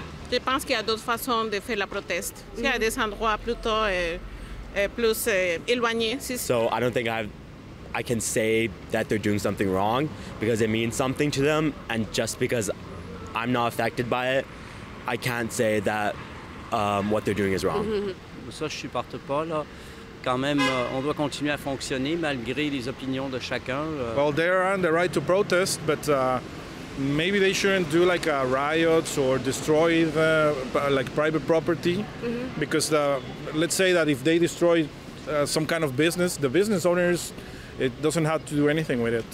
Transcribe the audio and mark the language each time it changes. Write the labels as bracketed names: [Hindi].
[French] Je pense qu'il y a d'autres façons de faire la proteste. Il y a des endroits plutôt plus éloignés. [English] So I don't think I can say that they're doing something wrong because it means something to them. And just because I'm not affected by it, I can't say that what they're doing is wrong. [French] Ça, je supporte pas là. Quand même, on doit continuer à fonctionner malgré les opinions de chacun. [English] Well, they're on the right to protest, but maybe they shouldn't do like riots or destroy the, like private property. Mm-hmm. Because let's say that if they destroy some kind of business, the business owners, it doesn't have to do anything with it.